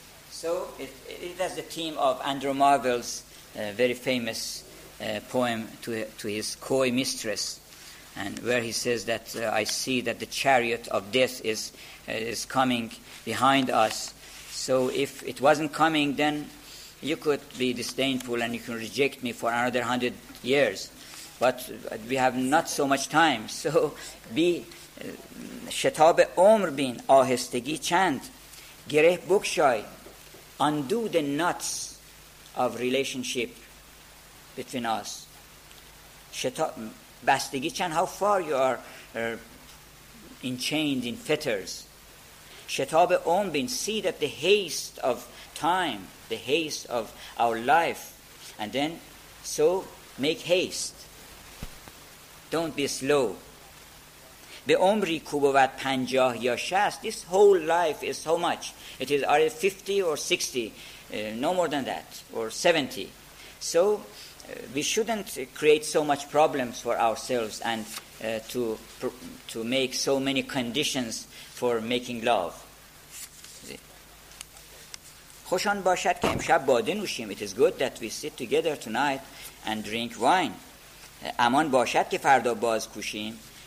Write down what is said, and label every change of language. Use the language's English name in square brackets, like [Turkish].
[English] So it has the theme of Andrew Marvell's very famous poem to his coy mistress, and where he says that I see that the chariot of death is coming behind us. So if it wasn't coming, then you could be disdainful and you can reject me for another 100 years. But we have not so much time. So be [Persian] شتاب عمر بین آهستگی چند گره بکشای. [English] Undo the knots of relationship between us. [Persian] بستگی چند, [English] how far you are enchained in fetters. [Persian] شتاب اون بین, [English] see that the haste of time, the haste of our life, and then so make haste. Don't be slow. [Persian] به عمری کوبود پنجاه یا شست. [English] This whole life is how much? It is either 50 or 60, no more than that, or 70. So we shouldn't create so much problems for ourselves and to make so many conditions for making love. [Persian] خوش آن باشد که امشب باده نوشیم. [English] It is good that we sit together tonight and drink wine. [Persian] امان باشد که فردا باز کوشیم.